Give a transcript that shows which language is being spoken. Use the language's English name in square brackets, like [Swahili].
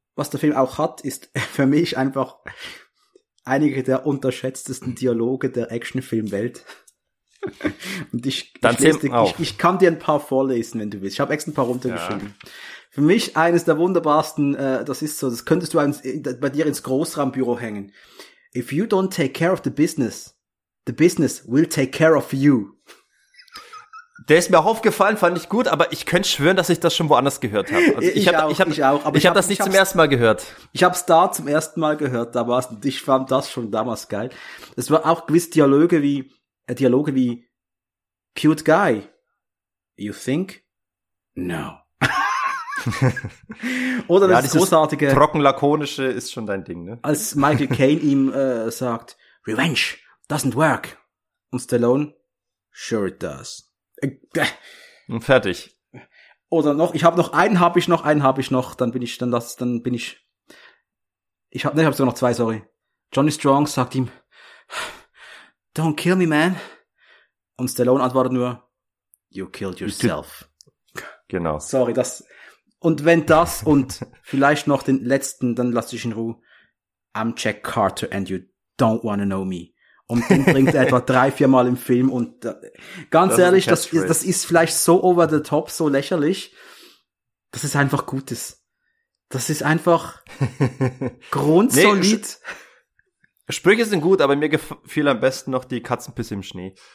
[German] Was der Film auch hat, ist für mich einfach einige der unterschätztesten Dialoge der Actionfilmwelt. Und ich kann dir ein paar vorlesen, wenn du willst. Ich habe extra ein paar runtergeschrieben. Ja. Für mich eines der wunderbarsten, das ist so, das könntest du bei dir ins Großraumbüro hängen. [English] If you don't take care of the business will take care of you. [German] Der ist mir auch aufgefallen, fand ich gut, aber ich könnte schwören, dass ich das schon woanders gehört habe. Also ich auch. Aber ich habe das nicht zum ersten Mal gehört. Ich habe es da zum ersten Mal gehört, damals, und ich fand das schon damals geil. Es war auch gewisse Dialoge wie cute guy. [English] You think? No. [German] Oder ja, das großartige trocken lakonische ist schon dein Ding, ne? Als Michael Caine ihm sagt, [English] Revenge doesn't work. Und Stallone, sure it does. [German] Und fertig. Oder noch, ich habe noch einen, ich habe sogar noch zwei. Johnny Strong sagt ihm, [English] don't kill me, man. [German] Und Stallone antwortet nur, [English] you killed yourself. [German] Genau. Sorry, das. Und wenn das und vielleicht noch den letzten, dann lass dich in Ruhe. [English] I'm Jack Carter and you don't wanna know me. [German] Und den bringt er etwa 3-4 Mal im Film. Und ganz das ehrlich, das ist vielleicht so over the top, so lächerlich. Das ist einfach Gutes. Das ist einfach grundsolid. Nee, Sprüche sind gut, aber mir gefiel am besten noch die Katzenpisse im Schnee.